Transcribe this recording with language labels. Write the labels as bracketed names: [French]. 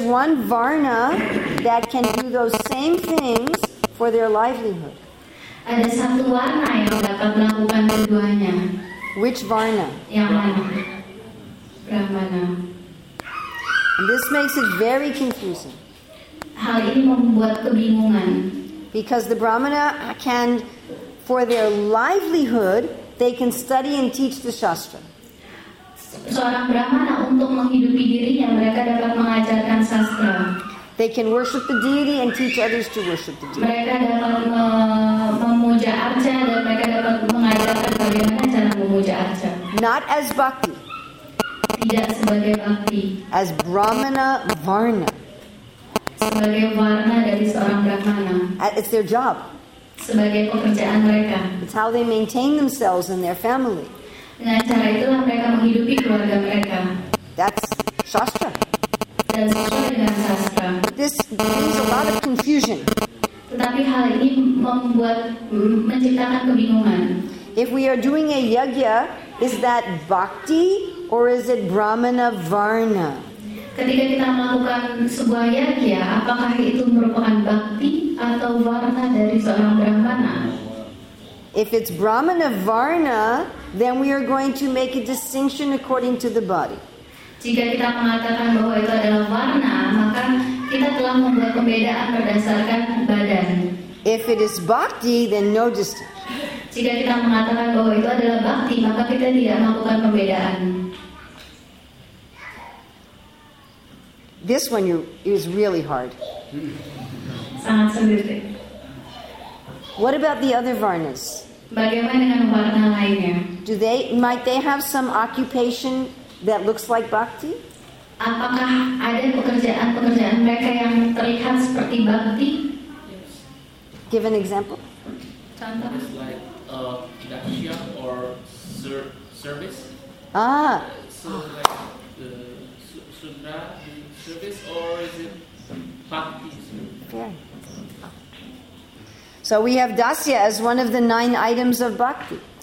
[English] one varna that can do those same things for their livelihood. [Indonesian] Ada satu varna yang dapat melakukan keduanya. [English] Which varna? [Indonesian] Yang mana? Brahmana. [English] This makes it very confusing. [Indonesian] Hal ini membuat kebingungan. [English] Because the brahmana can, for their livelihood, they can study and teach the shastra. [Indonesian] Seorang Brahmana untuk menghidupi dirinya mereka dapat mengajarkan sastra. [English] They can worship the deity and teach others to worship the deity. [Indonesian] Mereka dapat memuja arca dan mereka dapat mengajarkan bagaimana cara memuja arca. [English] Not as bhakti. [Indonesian] Tidak sebagai bhakti. [English] As Brahmana varna. [Indonesian] Sebagai varna dari seorang Brahmana. [English] It's their job. [Indonesian] Sebagai pekerjaan mereka. [English] It's how they maintain themselves and their family. [Indonesian] Dengan cara itulah mereka menghidupi keluarga mereka. [English] That's shastra. [Indonesian] Dan sesuai dengan shastra. [English] This brings a lot of confusion. [Indonesian] Tetapi hal ini membuat menciptakan kebingungan. [English] If we are doing a yagya, is that bhakti or is it brahmana varna? [Indonesian] Ketika kita melakukan sebuah yagya, apakah itu merupakan bhakti atau varna dari seorang brahmana? [English] If it's brahmana varna, then we are going to make a distinction according to the body. [Indonesian] Jika kita mengatakan bahwa itu adalah varna, maka kita telah membuat pembedaan berdasarkan badan. [English] If it is bhakti, then no distinction. [Indonesian] Jika kita mengatakan bahwa itu adalah bhakti, maka kita tidak melakukan pembedaan. [English] This one is really hard. [Indonesian] Sangat sulit. [English] What about the other varnas? [Indonesian] Bagaimana dengan varna lainnya? [English] Might they have some occupation that looks like bhakti? [Indonesian] Apakah ada pekerjaan-pekerjaan mereka yang terlihat seperti bhakti? [English] Give an example. [Indonesian] Contoh. [English] It's like a daksha or service. Ah. So like the sundra service or is it bhakti? Yeah. So we have dasya as one of the 9 items of bhakti.